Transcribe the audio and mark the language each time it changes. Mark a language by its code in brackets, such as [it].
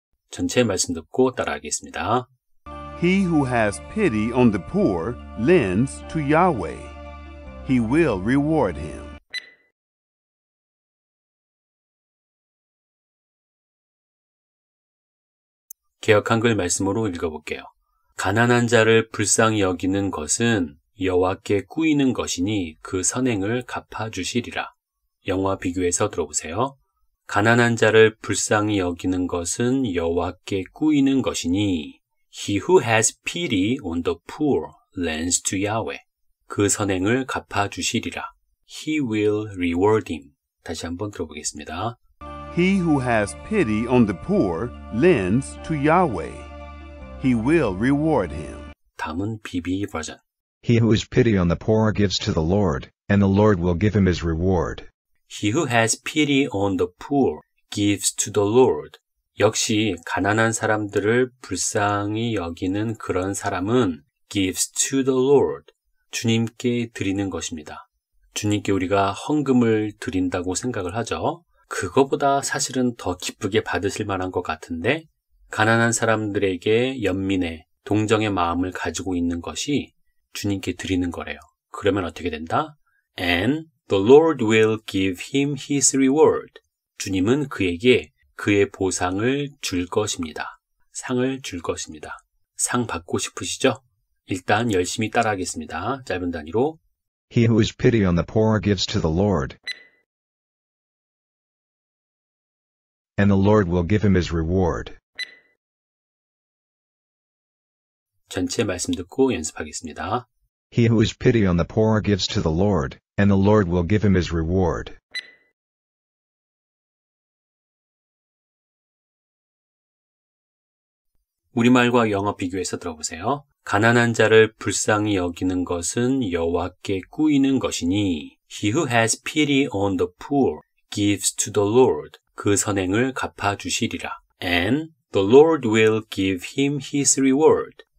[ko] 전체 말씀 듣고 따라하겠습니다. [en] He who has pity on the poor lends to Yahweh. He will reward him. [ko] Kiyok 한글 말씀으로 읽어볼게요. 가난한 자를 불쌍히 여기는 것은 여호와께 꾸이는 것이니 그 선행을 갚아주시리라. 영화 비교해서 들어보세요. 가난한 자를 불쌍히 여기는 것은 여호와께 꾸이는 것이니 [en] He who has pity on the poor lends to Yahweh. [ko] 그 선행을 갚아주시리라. [en] He will reward him. [ko] 다시 한번 들어보겠습니다. [en] He who has pity on the poor lends to Yahweh. He will reward him. [ko] 다음은 BB 버전. [en] He who has pity on the poor gives to the Lord, and the Lord will give him his reward. He who has pity on the poor gives to the Lord. [ko] 역시 가난한 사람들을 불쌍히 여기는 그런 사람은 [en] gives to the Lord, [ko] 주님께 드리는 것입니다. 주님께 우리가 헌금을 드린다고 생각을 하죠. 그거보다 사실은 더 기쁘게 받으실 만한 것 같은데 가난한 사람들에게 연민의 동정의 마음을 가지고 있는 것이 주님께 드리는 거래요. 그러면 어떻게 된다? [en] And the Lord will give him his reward. [ko] 주님은 그에게 그의 보상을 줄 것입니다. 상을 줄 것입니다. 상 받고 싶으시죠? 일단 열심히 따라하겠습니다. 짧은 단위로 [en] He who has pity on the poor gives to the Lord. And the Lord will give him his reward. [ko] 전체 말씀 듣고 연습하겠습니다. [en] He who has pity on the poor gives to the Lord, and the Lord will give him his reward. [ko] 우리말과 영어 비교해서 들어보세요. 가난한 자를 불쌍히 여기는 것은 여호와께 꾸이는 것이니 [en] He who has pity on the poor gives to the Lord. [ko] 그 선행을 갚아주시리라. [en] And the Lord will give him his reward.